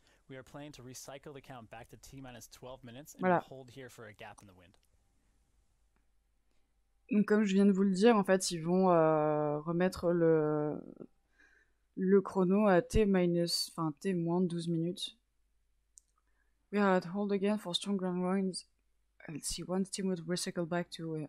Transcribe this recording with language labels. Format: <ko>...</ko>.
<en>We are planning to recycle the count back to T minus 12 minutes and</en> <fr>voilà.</fr> <en>Hold here for a gap in the wind.</en> <fr>Donc comme je viens de vous le dire, en fait, ils vont remettre le chrono à T moins 12 minutes.</fr> <en>We are at hold again for strong ground winds. Let's see, one team would recycle back to.</en>